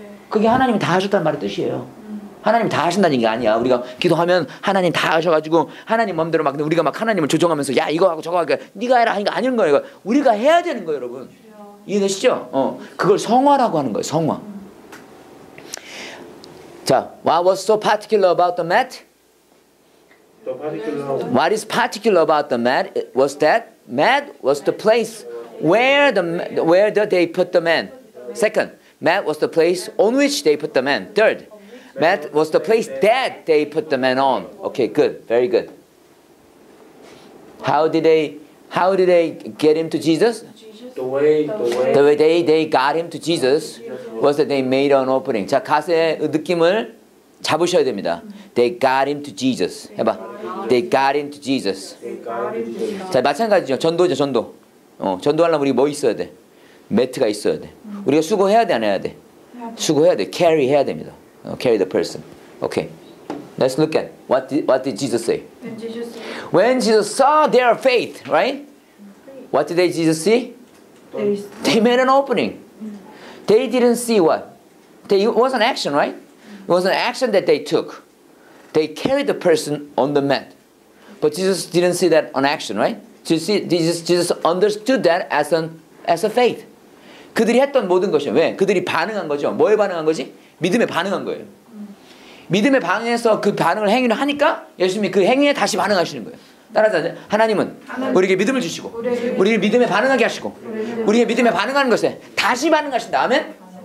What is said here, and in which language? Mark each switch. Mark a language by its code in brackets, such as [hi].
[ko] 그게 하나님이 다 하셨다는 말의 뜻이에요. 하나님 다 하신다는 게 아니야. 우리가 기도하면 하나님 다 하셔가지고 하나님 마음대로 막 우리가 막 하나님을 조종하면서 야 이거 하고 저거 하고 네가 해라 하니까 아닌 거예요. 우리가 해야 되는 거예요, 여러분. 이해되시죠? 그걸 성화라고 하는 거예요. 성화. [en] 자, what was so particular about the mat? What is particular about the mat was that mat was the place where they put the man. Second, mat was the place on which they put the man. Third. Mat was the place that they put the man on. Okay, good. Very good. How did they get him to Jesus? The way they got him to Jesus was that they made an opening. [ko] 자, 가세의 느낌을 잡으셔야 됩니다. [en] They got him to Jesus. [ko] 해봐. [en] They got him to Jesus. [ko] 자, 마찬가지죠. 전도죠, 전도. 전도하려면 우리 뭐 있어야 돼? 매트가 있어야 돼. 우리가 수고해야 돼, 안 해야 돼? 수고해야 돼. [en] Carry [ko] 해야 됩니다. [en] Carry the person. Okay. Let's look at what did Jesus say? When Jesus saw their faith, right? What did Jesus see? They made an opening. They didn't see what? It was an action, right? It was an action that they took. They carried the person on the mat. But Jesus didn't see that on action, right? Jesus understood that as a faith. [ko] 그들이 했던 모든 것이 왜? 그들이 반응한 거죠. 뭐에 반응한 거지? 믿음에 반응한 거예요. 믿음에 반응해서 그 반응을 행위를 하니까 예수님이 그 행위에 다시 반응하시는 거예요. 따라서 하나님은 우리에게 믿음을 주시고 우리를 믿음에 반응하게 하시고 우리의 믿음에 반응하는 것에 다시 반응하신다. 아멘?